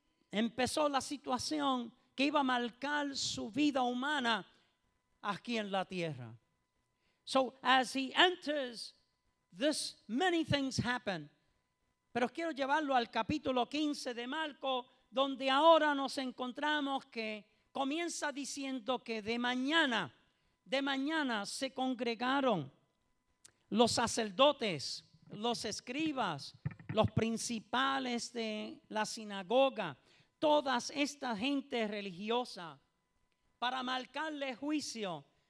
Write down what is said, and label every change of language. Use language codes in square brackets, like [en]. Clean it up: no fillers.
[es] Empezó la situación que iba a marcar su vida humana aquí en la tierra. [en] So as he enters, this many things happen. [es] Pero quiero llevarlo al capítulo 15 de Marcos, donde ahora nos encontramos que comienza diciendo que de mañana se congregaron los sacerdotes, los escribas, los principales de la sinagoga, toda esta gente religiosa, para marcarle juicio.